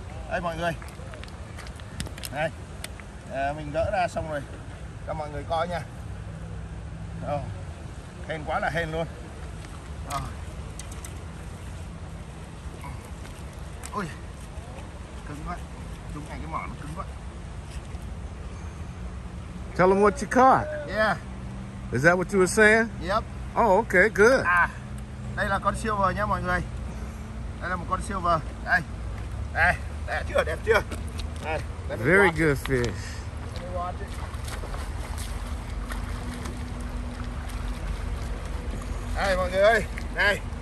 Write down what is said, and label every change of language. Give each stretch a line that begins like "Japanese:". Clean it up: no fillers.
Vietnamese: Đây mọi người. Đây. Mình gỡ ra xong rồi. Cho mọi người coi nha. Oh, hên quá là hên luôn. Ôi. Cứng quá. Đúng ngay cái mỏ nó cứng quá.
English: Tell them what you caught. Yeah. Is that what you were saying? Yep. Oh, okay, good.
Vietnamese: Đây là con silver nha mọi người. Đây là một con silver. Đây. Đây, đẹp chưa? Đẹp chưa? Đây.
English: Very good fish.
Vietnamese: Đây mọi người ơi. Đây.